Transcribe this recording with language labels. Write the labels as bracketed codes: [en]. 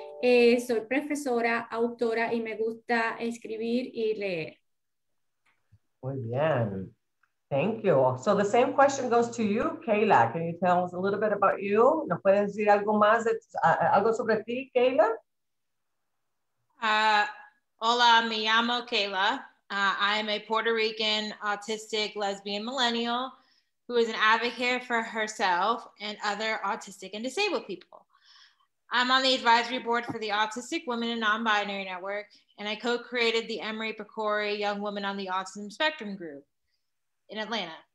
[es] Soy profesora, autora, y me gusta escribir y leer. Muy bien. [en] Thank you. So the same question goes to you, Kayla. Can you tell us a little bit about you? [es] ¿Nos puedes decir algo más, algo sobre ti, Kayla? Hola, me llamo Kayla. [en] I am a Puerto Rican autistic lesbian millennial who is an advocate for herself and other autistic and disabled people. I'm on the advisory board for the Autistic Women and Non-Binary Network, and I co-created the Emery Pecori Young Women on the Autism Spectrum Group in Atlanta.